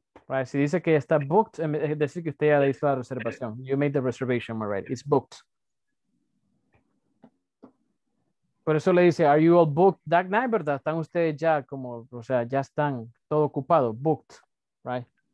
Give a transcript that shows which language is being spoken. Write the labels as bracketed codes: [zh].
[es] Right, si dice que está booked, es decir que usted ya hizo la reservación. [en] You made the reservation, right? It's booked. [es] Por eso le dice, [en] are you all booked that night, [es] verdad? Están ustedes ya como, o sea, ya están todo ocupado, booked, right?